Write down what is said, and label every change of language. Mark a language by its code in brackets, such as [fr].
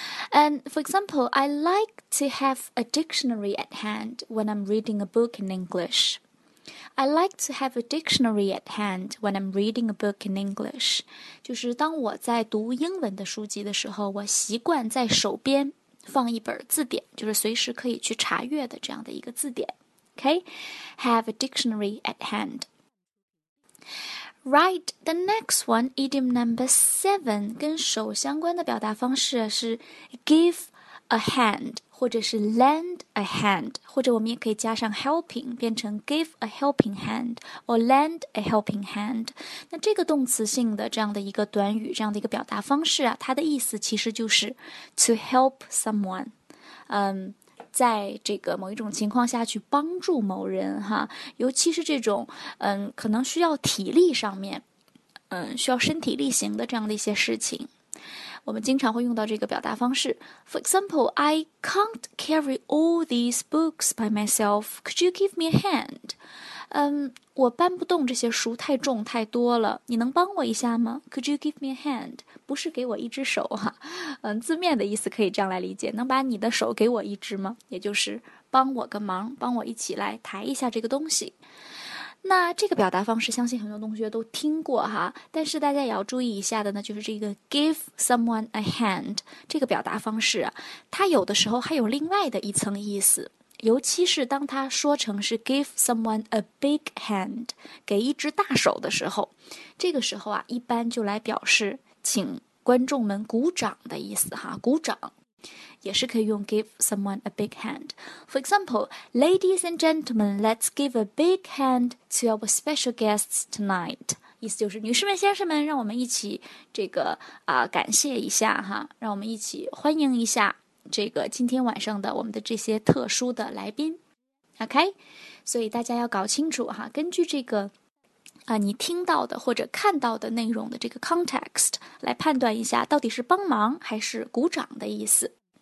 [en] And for example, I like to have a dictionary at hand when I'm reading a book in EnglishI like to have a dictionary at hand when I'm reading a book in English. [zh] 就是当我在读英文的书籍的时候，我习惯在手边放一本字典，就是随时可以去查阅的这样的一个字典。 [en] Okay? Have a dictionary at hand. Right, the next one, idiom number seven, [zh] 跟手相关的表达方式是 [en] give a hand. [zh] 或者是 [en] lend a hand， [zh] 或者我们也可以加上 [en] helping， [zh] 变成 [en] give a helping hand or lend a helping hand。 [zh] 那这个动词性的这样的一个短语，这样的一个表达方式啊，它的意思其实就是 [en] to help someone， [zh] 在这个某一种情况下去帮助某人哈，尤其是这种可能需要体力上面，需要身体力行的这样的一些事情，我们经常会用到这个表达方式。 [en] For example, I can't carry all these books by myself. Could you give me a hand? [zh] 我搬不动这些书，太重太多了，你能帮我一下吗？ [en] Could you give me a hand? [zh] 不是给我一只手哈，字面的意思可以这样来理解，能把你的手给我一只吗？也就是帮我个忙，帮我一起来抬一下这个东西。那这个表达方式相信很多同学都听过哈，但是大家也要注意一下的呢，就是这个 [en] give someone a hand [zh] 这个表达方式啊，它有的时候还有另外的一层意思，尤其是当它说成是 [en] give someone a big hand， [zh] 给一只大手的时候，这个时候啊，一般就来表示请观众们鼓掌的意思哈，鼓掌也是可以用 give someone a big hand. [en] For example, ladies and gentlemen, let's give a big hand to our special guests tonight. [zh] 意思就是女士们先生们，让我们一起这个感谢一下哈，让我们一起欢迎一下这个今天晚上的我们的这些特殊的来宾。 OK， 所以大家要搞清楚哈，根据这个你听到的或者看到的内容的这个 context 来判断一下到底是帮忙还是鼓掌的意思。